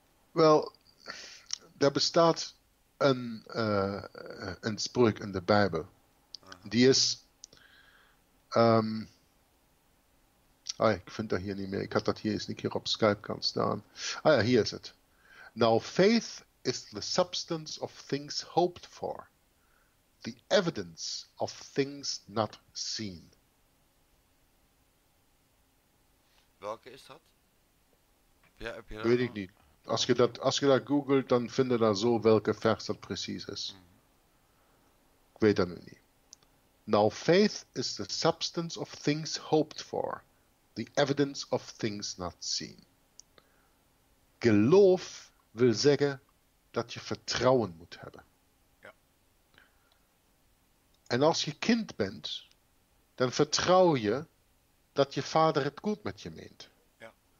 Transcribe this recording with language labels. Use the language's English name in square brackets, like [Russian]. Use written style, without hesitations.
[Dutch] Wel, er bestaat een spreuk in de Bijbel. Die is... ik vind dat hier niet meer. Ik had dat hier eens een keer op Skype kan staan. Ah ja, hier is het. [English] Now faith is the substance of things hoped for. The evidence of things not seen. [Dutch] Welke is dat? Ja, heb je dat weet nog? Ik niet. Als je dat googelt, dan vind je daar zo welke vers dat precies is. Mm-hmm. Ik weet dat nu niet. [English] Now faith is the substance of things hoped for. The evidence of things not seen. [Dutch] Geloof wil zeggen dat je vertrouwen moet hebben. Ja. En als je kind bent, dan vertrouw je dat je vader het goed met je meent. Ja.